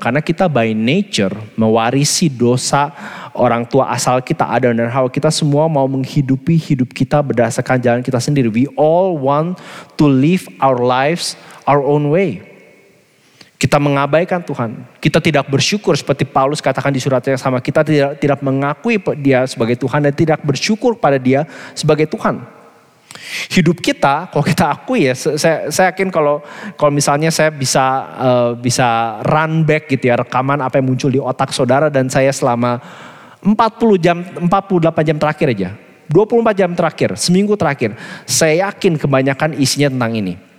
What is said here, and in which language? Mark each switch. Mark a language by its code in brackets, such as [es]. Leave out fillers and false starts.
[id] Karena kita [en] by nature [id] mewarisi dosa orang tua asal kita, Adam dan Hawa. Kita semua mau menghidupi hidup kita berdasarkan jalan kita sendiri. [en] We all want to live our lives our own way. [id] Kita mengabaikan Tuhan. Kita tidak bersyukur seperti Paulus katakan di suratnya sama. Kita tidak mengakui dia sebagai Tuhan dan tidak bersyukur pada dia sebagai Tuhan. Hidup kita, kalau kita akui ya, saya yakin kalau misalnya saya bisa [en] run back [id] gitu ya, rekaman apa yang muncul di otak saudara dan saya selama 48 jam terakhir aja, 24 jam terakhir, seminggu terakhir, saya yakin kebanyakan isinya tentang ini.